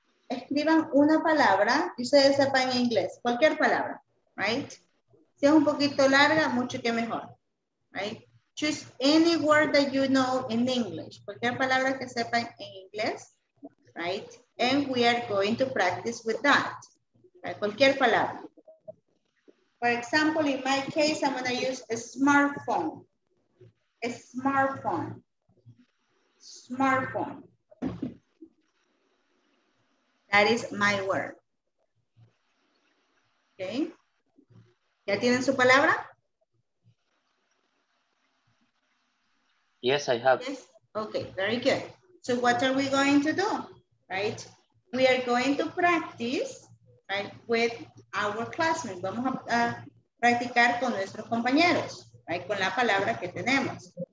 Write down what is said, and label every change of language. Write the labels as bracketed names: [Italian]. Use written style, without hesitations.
[Spanish] Escriban una palabra y ustedes sepan en inglés, cualquier palabra, right? Si es un poquito larga, mucho que mejor, right? [English] Choose any word that you know in English. [Spanish] Cualquier palabra que sepan en inglés, [English] right? And we are going to practice with that. Right? [Spanish] Cualquier palabra. [English] For example, in my case, I'm going to use a smartphone. A smartphone. Smartphone. That is my word. [Spanish] Okay. ¿Ya tienen su palabra? [English] Yes, I have. Yes. Okay, very good. So what are we going to do, right? We are going to practice, right, with our classmates. [Spanish] Vamos a practicar con nuestros compañeros, right, con la palabra que tenemos.